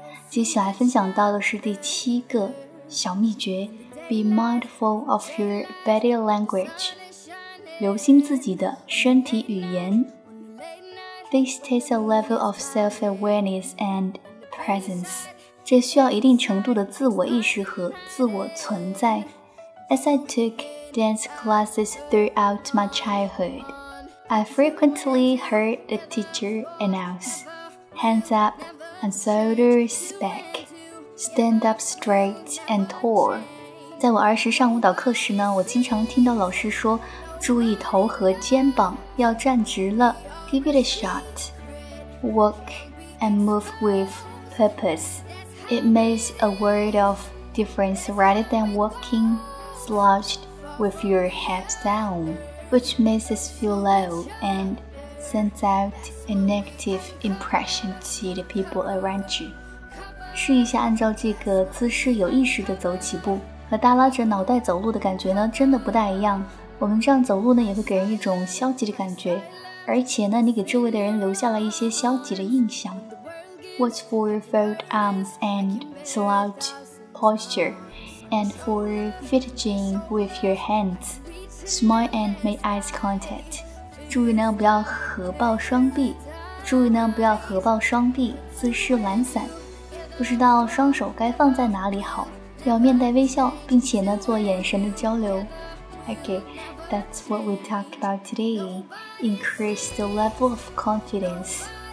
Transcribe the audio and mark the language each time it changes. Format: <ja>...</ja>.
<zh>接下来分享到的是第七个小秘诀 ,</zh> <en>Be mindful of your body language,</en> <zh>留心自己的身体语言。</zh> <en>This takes a level of self-awareness and presence.</en> <zh>这需要一定程度的自我意识和自我存在。</zh> <en>As I took dance classes throughout my childhood, I frequently heard the teacher announce, hands up and shoulders back, stand up straight and tall.</en> <zh>在我儿时上舞蹈课时呢，我经常听到老师说，注意头和肩膀，要站直了。</zh> <en>Give it a shot. Walk and move with purpose. It makes a world of difference rather than walking slouched with your head down, which makes us feel low and sends out a negative impression to the people around you.</en> <zh>试一下按照这个姿势有意识地走几步，和耷拉着脑袋走路的感觉呢，真的不大一样。我们这样走路呢，也会给人一种消极的感觉。而且呢，你给周围的人留下了一些消极的印象。</zh> <en>Watch for your folded arms and slouch posture, and for fidgeting with your hands. Smile and make eye contact.</en> <zh>注意呢，不要合抱双臂。注意呢，不要合抱双臂，姿势懒散。不知道双手该放在哪里好。要面带微笑，并且呢，做眼神的交流。</zh> <en>Okay. That's what we talk about today. Increase the level of confidence.</en>